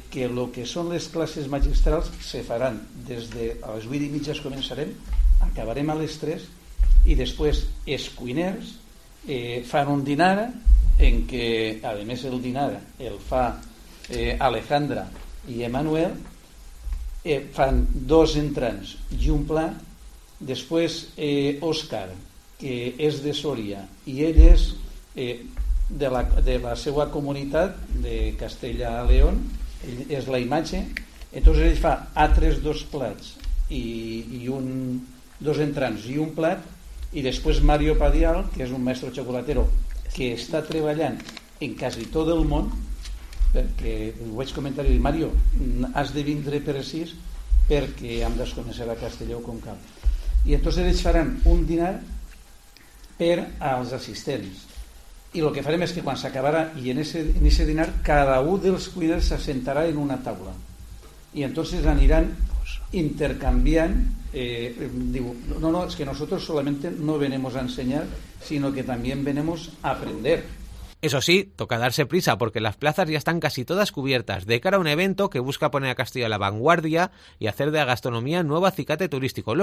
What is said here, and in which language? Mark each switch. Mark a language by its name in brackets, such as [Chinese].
[Spanish] Que lo que son las clases magistrales se farán desde a las 8 y media comenzaremos, acabaremos a las 3 y después [Catalan] es cuiners, fan un dinar en que además el dinar el fa Alejandra y Emmanuel, fan dos entrants y un plat. Després, Òscar, que és de Sòria, i ell és de la seva comunitat de Castella a León, ell és la imatge, entonces ell fa altres dos plats, dos entrants i un plat, i després Mario Padial, que és un mestre xocolatero que està treballant en quasi tot el món, perquè ho vaig comentar i dir, Mario, has de vindre precís perquè hem de conèixer a Castelló com cal. I entonces ells faran un dinar per als assistents. I el que farem és que quan s'acabarà i en ese dinar cada un dels cuiners s'assentarà en una taula. I entonces aniran intercanviant. Diu, no, és que [Spanish] nosotros solamente no venemos a enseñar, sino que también venemos a aprender. Eso sí, toca darse prisa porque las plazas ya están casi todas cubiertas de cara a un evento que busca poner a Castilla a la vanguardia y hacer de la gastronomía nuevo acicate turístico.